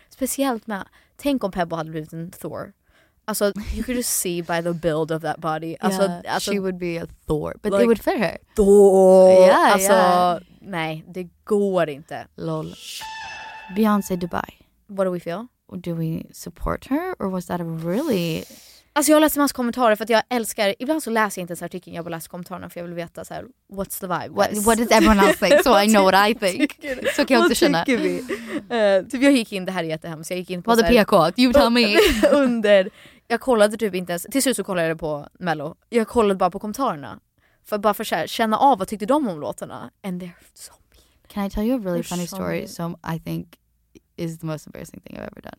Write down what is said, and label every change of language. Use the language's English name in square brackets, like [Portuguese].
[Swedish] Speciellt med, tänk om Pebble hade blivit en Thor. [English] Alltså, you could just see by the build of that body. [Swedish] Alltså, [English] yeah, [Swedish] alltså, [English] she would be a Thor. But like, it would fit her. Thor! Yeah, [Swedish] alltså, [English] yeah. [Swedish] Nej, det går inte. [English] Lol. Beyoncé Dubai. What do we feel? Do we support her? Or was that a really... [Swedish] Alltså, jag läste en massa kommentarer för att jag älskar... Ibland så läser jag inte ens artikeln, jag bara läser kommentarerna för jag vill veta så här, [English] what's the vibe? What does everyone else think? So I know what I think. [Swedish] Så kan jag också känna. Typ jag gick in, det här är jättehemskt, jag gick in på... Vad är PK? [English] You tell me. [Swedish] Under... Jag kollade typ inte ens... Till slut så kollade jag på Mello. Jag kollade bara på kommentarerna. För bara för att känna av vad tyckte de om låtarna. [English] And they're so mean. Can I tell you a really funny story som I think is the most embarrassing thing I've ever done?